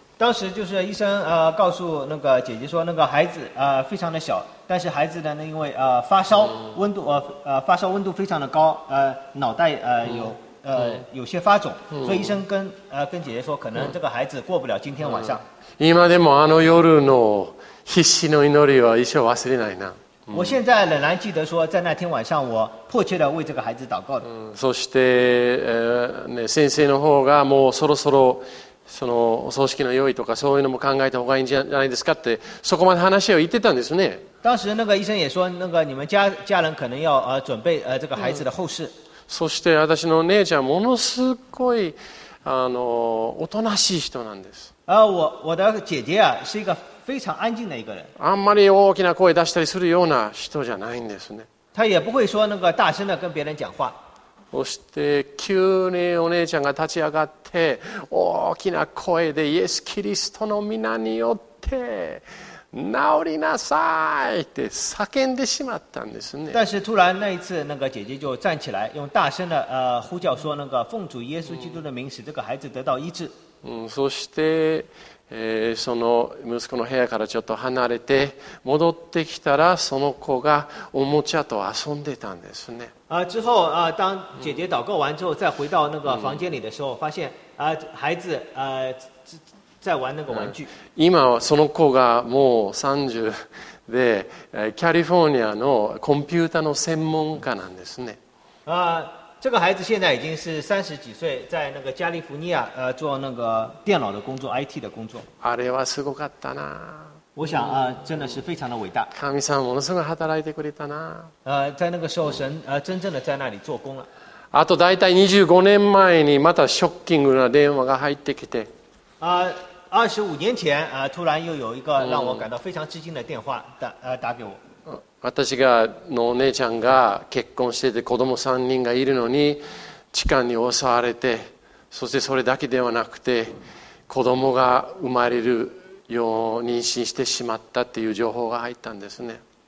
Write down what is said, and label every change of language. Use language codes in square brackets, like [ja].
[zh] 当时就是医生告诉那个姐姐说那个孩子非常的小，但是孩子呢因为发烧温度发烧温度非常的高，脑袋有些发肿，所以医生跟姐姐说可能这个孩子过不了今天晚上。 [ja] 今でもあの夜の必死の祈りは一生忘れないな。 [zh] 我现在仍然记得说在那天晚上我迫切的为这个孩子祷告的。 [ja] そして先生の方がもうそろそろそのお葬式の用意とかそういうのも考えた方がいいんじゃないですかって、そこまで話を言ってたんですね。 [zh] 当时那个医生也说那个你们 家人可能要准备这个孩子的后事。 [ja] そして私の姉ちゃんものすごいおとなしい人なんです。 [zh] 我的姐姐啊是一个非常安静的一个人。 [ja] あんまり大きな声出したりするような人じゃないんですね。 [zh] 她也不会说那个大声的跟别人讲话。 [ja] そして急にお姉ちゃんが立ち上がって大きな声でイエス・キリストの皆によって治りなさいって叫んでしまったんですね。 [zh] 但是突然那一次那个姐姐就站起来用大声的呼叫说那个奉主耶稣基督的名使这个孩子得到医治。 [ja] そして、その息子の部屋からちょっと離れて戻ってきたらその子がおもちゃと遊んでたんですね。 [zh] 之后当姐姐祷告完之后再回到那个房间里的时候发现孩子在玩那个玩具。 [ja] 今はその子がもう30でカリフォルニアのコンピューターの専門家なんですね。 [zh] 这个孩子现在已经是30几岁，在那个加利福尼亚做那个电脑的工作 ，IT 的工作。 [ja] あれはすごかったな。 [zh] 我想真的是非常的伟大。 [ja] 神様ものすごい働いてくれたな。 [zh] 在那个时候神真正的在那里做工了。 [ja] あとだいたい25年前にまたショッキングな電話が入ってきて。 [zh] 25年前突然又有一个让我感到非常吃惊的电话打给我。 [ja] 私がのお姉ちゃんが結婚してて子供3人がいるのに痴漢に襲われて、そしてそれだけではなくて子供が生まれるよう妊娠してしまったっていう情報が入ったんですね。